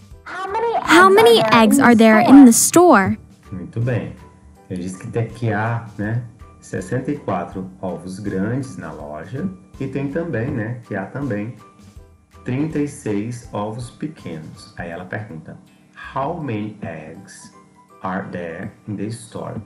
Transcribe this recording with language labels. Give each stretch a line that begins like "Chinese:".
English: How many eggs are there in the store?
Portuguese: Muito bem. Ele disse que tem que há, né, 64 ovos grandes na loja. E tem também, né, que há também 36 ovos pequenos. Aí ela pergunta,
English: how many eggs are there in the store?